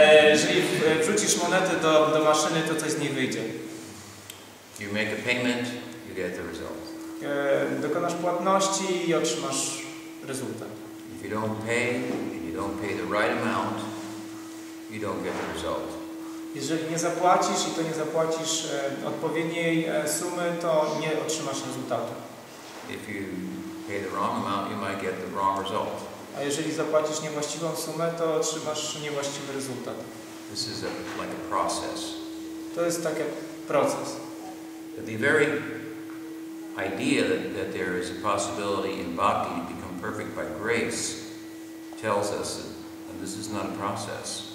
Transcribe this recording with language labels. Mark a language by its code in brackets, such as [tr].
[pl] Jeżeli wrzucisz monetę do maszyny, to coś z niej wyjdzie. [en] You make a payment, you get the result. [pl] Dokonasz płatności i otrzymasz rezultat. [en] If you don't pay, and you don't pay the right amount, you don't get the result. [pl] Jeżeli nie zapłacisz i to nie zapłacisz odpowiedniej sumy, to nie otrzymasz rezultatu. [en] If you pay the wrong amount, you might get the wrong result. [pl] A jeżeli zapłacisz niewłaściwą sumę, to otrzymasz niewłaściwy rezultat. [en] This is like a process. [pl] To jest tak jak proces. [en] The very idea that there is a possibility in bhakti to become perfect by grace tells us that this is not a process.